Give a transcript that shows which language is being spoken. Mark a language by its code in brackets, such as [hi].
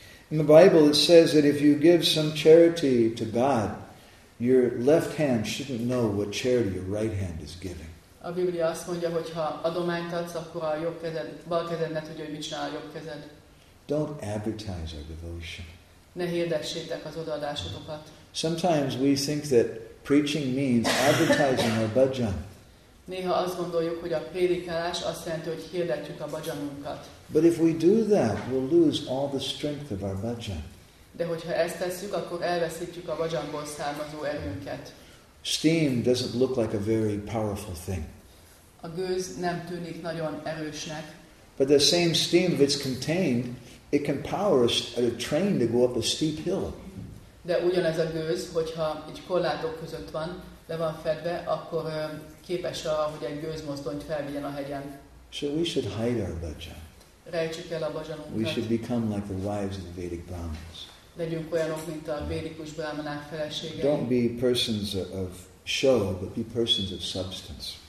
[en] In the Bible it says that if you give some charity to God, your left hand shouldn't know what charity your right hand is giving. [hu] A Biblia azt mondja, hogy ha adományt adsz, akkor a jobb kezed, bal kezed ne tudja, hogy mit csinál a jobb kezed. [en] Don't advertise our devotion. [hu] Ne hirdessétek az odaadásokat. [en] Sometimes we think that preaching means advertising our bhajan. [hu] Néha azt gondoljuk, hogy a prédikálás azt jelenti, hogy hirdetjük a bhajanunkat. [en] But if we do that, we'll lose all the strength of our bhajan. [hu] De hogyha ezt tesszük, akkor elveszítjük a bhajanból származó erőnket. [en] Steam doesn't look like a very powerful thing. [hu] A gőz nem tűnik nagyon erősnek. [en] But the same steam, if it's contained, it can power a train to go up a steep hill. [hu] De ugyanez a gőz, hogyha egy korlátok között van, le van fedve, akkor képes arra, hogy egy gőzmozdonyt felvigyen a hegyen. [en] So we should hide our bhajan. [hu] Rejtsük el a bhajanunkat. [en] We should become like the wives of the Vedic Brahmins. [hu] Legyünk olyanok, mint a védikus brahmanák feleségei. [en] Don't be persons of show, but be persons of substance.